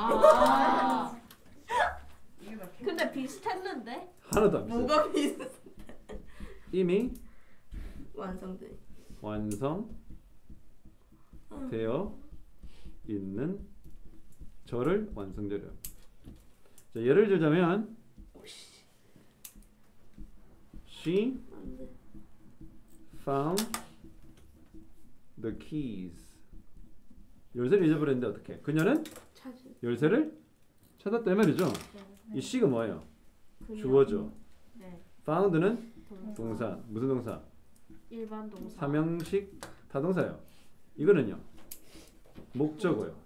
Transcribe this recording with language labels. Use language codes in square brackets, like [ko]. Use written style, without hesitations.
[ko] 아. 근데 비슷했는데? 하나도 안 비슷해. 뭐가 비슷해? 이미 완성돼. 완성 되어 있는 절을 완성절이요. [en] 자, [ko] 예를 들자면 [en] she found the keys. [ko] 열쇠를 잊어버렸는데 어떻게? 그녀는 열쇠를 찾았다는 말이죠. 이 she가 뭐예요? 주어죠. found는 동사. 무슨 동사? 일반 동사. 삼형식 타동사예요. 이거는요 목적어요.